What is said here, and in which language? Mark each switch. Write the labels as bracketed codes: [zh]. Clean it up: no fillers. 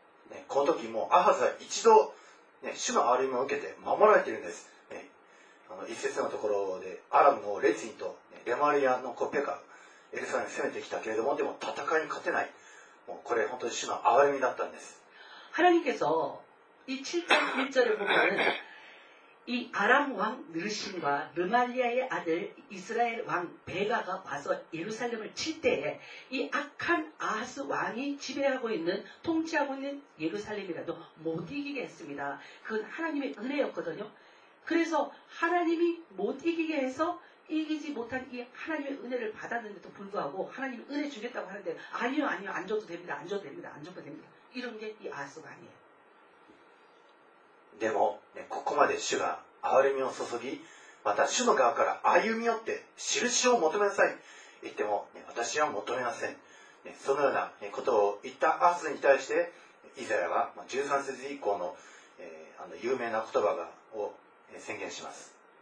[ko] 네그때뭐아하스가 [ja] 一度네主の憐れみを受けて守られているんです一節のところでアラムのレツィンとレマリアのコペがエルサレムに攻めてきたけれどもでも戦いに勝てないもうこれ本当に主の憐れみだったんです [ko] 하나님께서 이 7장 1절에 보면 이 아람 왕 느신과 르말리아의 아들 이스라엘 왕 베가가 와서 예루살렘을 칠 때에 이 악한 아하스 왕이 지배하고 있는 통치하고 있는 예루살렘이라도 못 이기게 했습니다. 그건 하나님의 은혜였거든요. 그래서 하나님이 못 이기게 해서 이기지 못한 이 하나님의 은혜를 받았는데도 불구하고 하나님이 은혜 주겠다고 하는데 아니요 아니요 안 줘도 됩니다. 안 줘도 됩니다. 안 줘도 됩니다. 이런 게 이 아하스 왕이에요. [ja] でも、ね、ここまで主が憐れみを注ぎ、また主の側から歩み寄って印を求めなさい。言っても、ね、私は求めません。ね、そのような、ね、ことを言ったアースに対して、イザヤは、まあ、13節以降の、あの有名な言葉がを、宣言します。